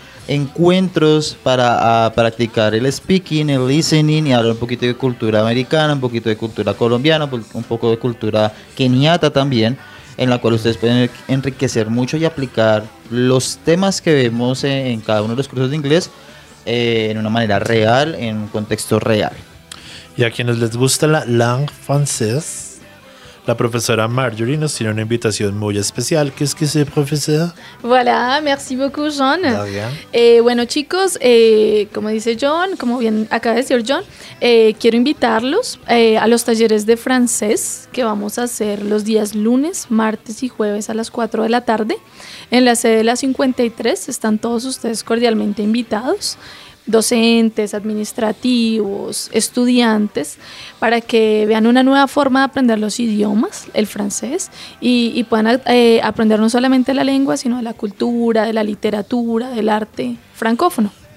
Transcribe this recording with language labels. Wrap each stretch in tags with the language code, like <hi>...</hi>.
<es>encuentros para practicar el speaking, el listening y hablar un poquito de cultura americana, un poquito de cultura colombiana, un poco de cultura keniata también, en la cual ustedes pueden enriquecer mucho y aplicar los temas que vemos en cada uno de los cursos de inglés en una manera real, en un contexto real. Y a quienes les gusta</es> <fr>la langue française,</fr> <es>la profesora Marjorie nos tiene una invitación muy especial. ¿Qué es que se profesa?</es> <fr>Voilà, merci beaucoup, John.</fr> <es>Bueno, chicos, como dice John, como bien acaba de decir John, quiero invitarlos a los talleres de francés que vamos a hacer los días lunes, martes y jueves a las 4 de la tarde en la sede de la 53. Están todos ustedes cordialmente invitados. Docentes, administrativos, estudiantes, para que vean una nueva forma de aprender los idiomas, el francés, y puedan aprender no solamente la lengua, sino de la cultura, de la literatura, del arte francófono.</es>